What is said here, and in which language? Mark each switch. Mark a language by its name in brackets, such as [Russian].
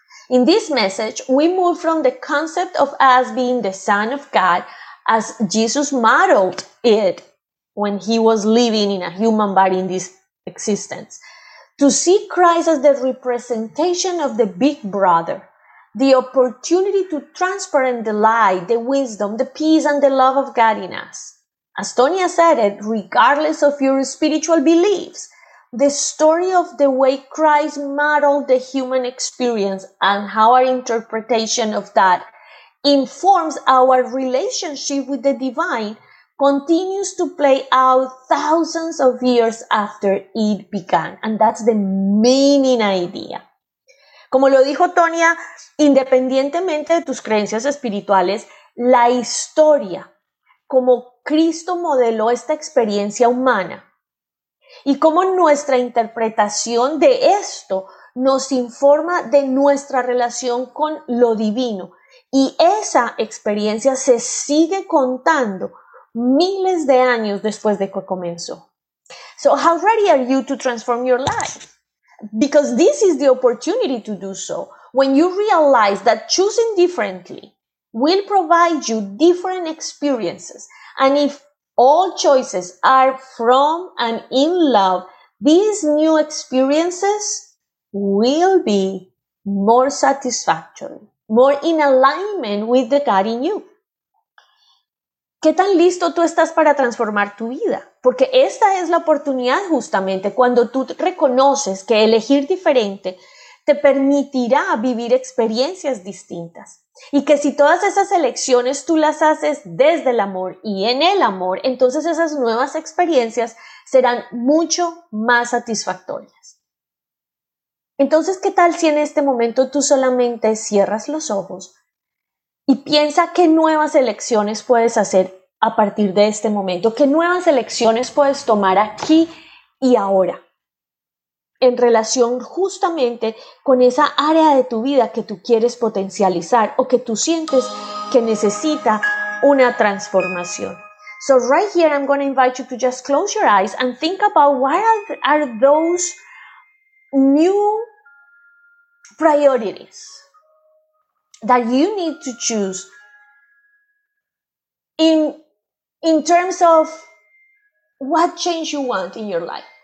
[English] In this message, we move from the concept of us being the Son of God as Jesus modeled it when he was living in a human body in this existence, to see Christ as the representation of the Big Brother, the opportunity to transparent the light, the wisdom, the peace, and the love of God in us. As Tonya said it, regardless of your spiritual beliefs, the story of the way Christ modeled the human experience and how our interpretation of that informs our relationship with the divine continues to play out thousands of years after it began. And that's the meaning idea. [Spanish] Como lo dijo Tonya, independientemente de tus creencias espirituales, la historia, como Cristo modeló esta experiencia humana, y cómo nuestra interpretación de esto nos informa de nuestra relación con lo divino. Y esa experiencia se sigue contando miles de años después de que comenzó. So how ready are you to transform your life? Because this is the opportunity to do so. When you realize that choosing differently will provide you different experiences, and if all choices are from and in love, these new experiences will be more satisfactory, more in alignment with the God in you. ¿Qué tan listo tú estás para transformar tu vida? Porque esta es la oportunidad justamente cuando tú reconoces que elegir diferente te permitirá vivir experiencias distintas. Y que si todas esas elecciones tú las haces desde el amor y en el amor, entonces esas nuevas experiencias serán mucho más satisfactorias. Entonces, ¿qué tal si en este momento tú solamente cierras los ojos y piensa qué nuevas elecciones puedes hacer a partir de este momento? ¿Qué nuevas elecciones puedes tomar aquí y ahora? En relación justamente con esa área de tu vida que tú quieres potencializar o que tú sientes que necesita una transformación. [English] So right here I'm going to invite you to just close your eyes and think about what are those new priorities that you need to choose in terms of what change you want in your life.